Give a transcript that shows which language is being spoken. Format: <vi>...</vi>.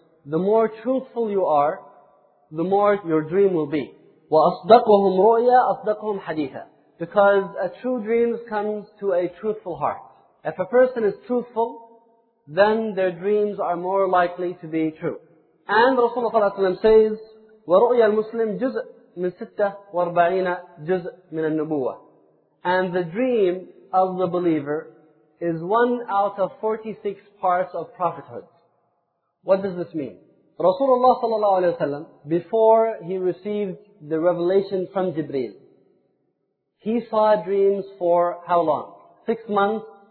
<en>The more truthful you are, the more your dream will be.</en> <ar>وَأَصْدَقُهُمْ رُؤْيَا أَصْدَقُهُمْ حَدِيثًا.</ar> <en>Because a true dream comes to a truthful heart. If a person is truthful, then their dreams are more likely to be true. And Rasulullah says,</en> <ar>وَرُؤْيَا الْمُسْلِمْ جُزْءٌ مِنْ سِتَّةٌ وَأَرْبَعِينَ جُزْءٌ مِنَ النُّبُوَةِ.</ar> <en>And the dream of the believer is one out of 46 parts of prophethood. What does this mean? Rasulullah sallallahu alayhi wa sallam, before he received the revelation from Jibreel, he saw dreams for how long? 6 months.</en>